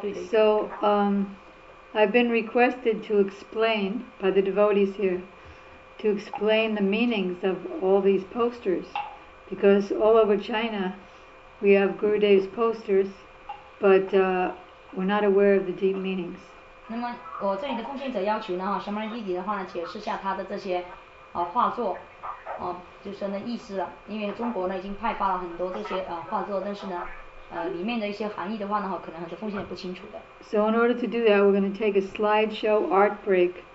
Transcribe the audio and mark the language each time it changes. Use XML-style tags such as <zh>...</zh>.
<en>So, I've been requested to explain by the devotees here to explain the meanings of all these posters because all over China we have Gurudev's posters. But we're not aware of the deep meanings.</en> <zh>那么我这里的奉献者要求呢，沙曼丽丽的话呢，解释下他的这些画作，就是那意思了。因为中国呢已经派发了很多这些画作，但是呢，里面的一些含义的话呢，可能很多奉献者不清楚的。So</zh> <en>in order to do that, we're going to take a slideshow art break</en>